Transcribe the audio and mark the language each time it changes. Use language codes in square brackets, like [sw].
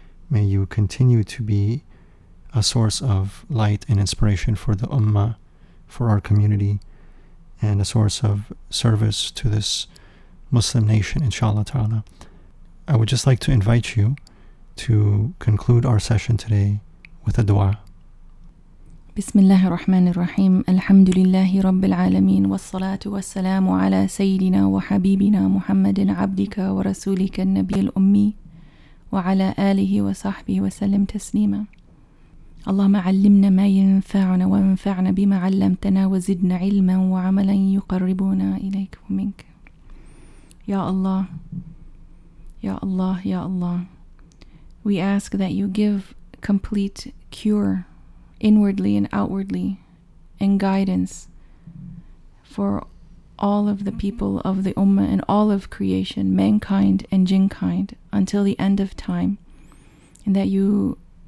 [en] May you continue to be a source of light and inspiration for the ummah, for our community, and a source of service to this Muslim nation, inshallah ta'ala. I would just like to invite you to conclude our session today with a dua. [ar] بسم الله الرحمن الرحيم الحمد لله رب العالمين والصلاة والسلام على سيدنا وحبيبنا محمد عبدك ورسولك النبي الأمي وعلى آله وصحبه وسلم تسليما. اللهم علمنا ما ينفعنا وانفعنا بما علمتنا وزدنا علما وعملا يقربنا إليك ومنك. يا الله يا الله يا الله. [en] We ask that you give complete cure inwardly and outwardly, and guidance for all of the people of the Ummah and all of creation, mankind and jinnkind, until the end of time, and that you